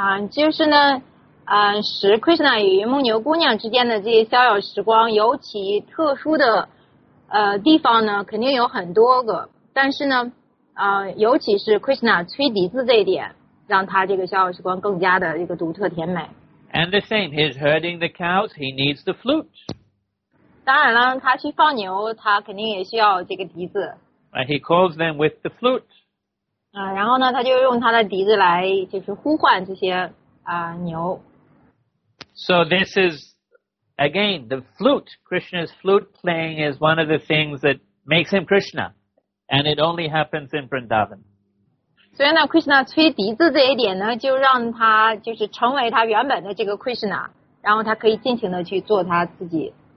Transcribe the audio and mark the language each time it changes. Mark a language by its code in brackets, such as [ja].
[zh] 就是呢，使 Krishna 与梦牛姑娘之间的这些逍遥时光尤其特殊的地方呢，肯定有很多个。但是呢，尤其是 Krishna 吹笛子这一点。让他这个逍遥时光更加的一个独特甜美。 [en] And the same, he's herding the cows, he needs the flute. [zh] 当然了，他去放牛，他肯定也需要这个笛子。 [en] And he calls them with the flute. [zh] 然后呢，他就用他的笛子来就是呼唤这些牛。 [en] So this is, again, the flute, Krishna's flute playing is one of the things that makes him Krishna. And it only happens in Vrindavan. [zh] 所以呢 ，Krishna 吹笛子这一点呢，就让他就是成为他原本的这个 Krishna， 然后他可以尽情的去做他自己。